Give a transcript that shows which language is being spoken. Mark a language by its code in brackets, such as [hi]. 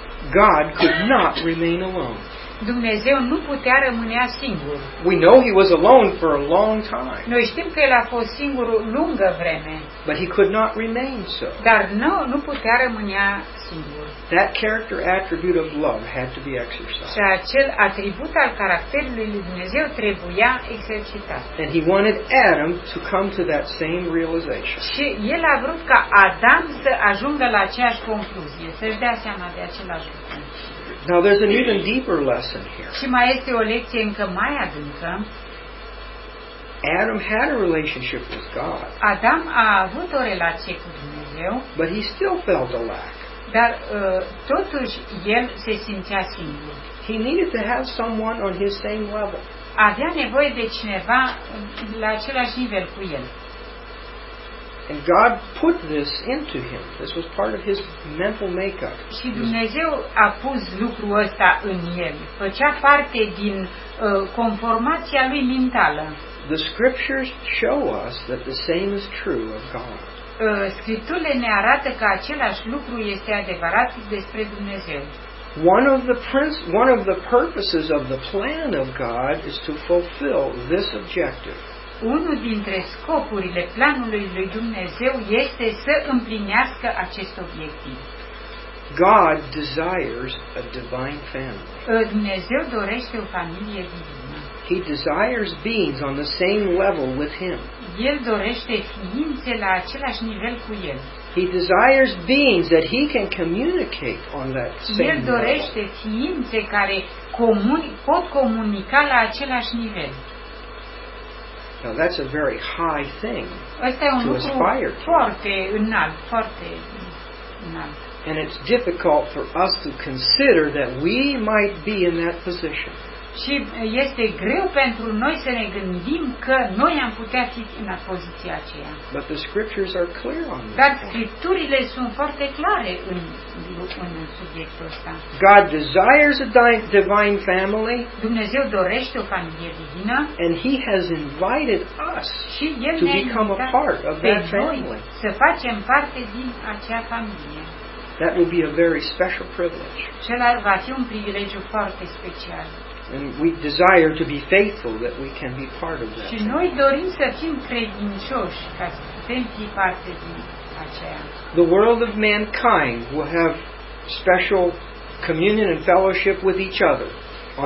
[en] God could not remain alone. [ro] Dumnezeu nu putea rămâne singur. [en] We know he was alone for a long time. [ro] Noi știm că el a fost singur o lungă vreme. [en] But he could not remain so. [ro] Dar nu putea rămâne singur. [en] That character attribute of love had to be exercised. [ro] Și acel atribut al caracterului lui Dumnezeu trebuia exercitat. [en] And he wanted Adam to come to that same realization. [ro] Și el a vrut ca Adam să ajungă la aceeași concluzie, să-și dea seama de același lucru. [en] Now there's an even deeper lesson here. [ro] Și mai este o lecție încă mai adâncă. [en] Adam had a relationship with God. [ro] Adam a avut o relație cu Dumnezeu. [en] But he still felt a lack. [ro] Dar totuși el se simțea singur. [en] He needed to have someone on his same level. [ro] Avea nevoie de cineva la același nivel cu el. [en] And God put this into him. This was part of his mental makeup. [ro] Și Dumnezeu a pus lucrul ăsta în el. Făcea parte din conformația lui mentală. [en] The scriptures show us that the same is true of God. [ro] Scripturile ne arată că același lucru este adevărat despre Dumnezeu. [en] One of the purposes of the plan of God is to fulfill this objective. [ro] Unul dintre scopurile planului lui Dumnezeu este să împlinească acest obiectiv. [en] God desires a divine family. [ro] Dumnezeu dorește o familie divină. [en] He desires beings on the same level with Him. [ro] El dorește ființe la același nivel cu El. [en] He desires beings that He can communicate on that same level. [ro] El dorește ființe care pot comunica la același nivel. [en] Now that's a very high thing to aspire to. [ro] Foarte înalt, foarte înalt. [en] And it's difficult for us to consider that we might be in that position. [ro] Și este greu pentru noi să ne gândim că noi am putea fi în poziția aceea. [en] But the scriptures are clear on this. [ro] Dar scripturile sunt foarte clare în subiectul ăsta. [en] God desires a divine family. [ro] Dumnezeu dorește o familie divină. [en] And He has invited us to become a part of that family. [ro] Să facem parte din acea familie. [en] That will be a very special privilege. [ro] Cela va fi un privilegiu foarte special. [en] And we desire to be faithful that we can be part of that. [ro] Și noi dorim să fim credincioși ca să putem fi parte din aceea. [en] The world of mankind will have special communion and fellowship with each other on